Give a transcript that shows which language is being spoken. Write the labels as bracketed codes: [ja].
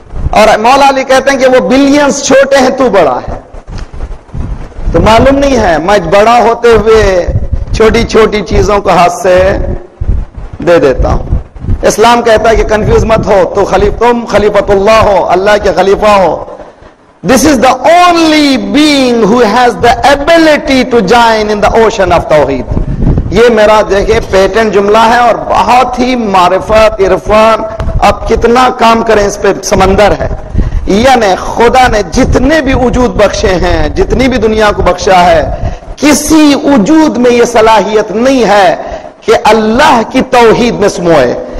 [ur] اور مولا علی کہتے ہیں کہ وہ بلینس چھوٹے ہیں تو بڑا ہے. تو معلوم نہیں ہے میں بڑا ہوتے ہوئے چھوٹی چھوٹی چیزوں کو ہاتھ سے دے دیتا ہوں. اسلام کہتا ہے کہ کنفیوز مت ہو, تو خلیفہ, تم خلیفۃ اللہ ہو, اللہ کے خلیفہ ہو. [en] This is the only being who has the ability to join in the ocean of توحید. [ur] یہ میرا دیکھیں پیٹنٹ جملہ ہے اور بہت ہی معرفت عرفان, اب کتنا کام کریں اس پہ, سمندر ہے. یعنی خدا نے جتنے بھی وجود بخشے ہیں, جتنی بھی دنیا کو بخشا ہے, کسی وجود میں یہ صلاحیت نہیں ہے کہ اللہ کی توحید میں سموئے.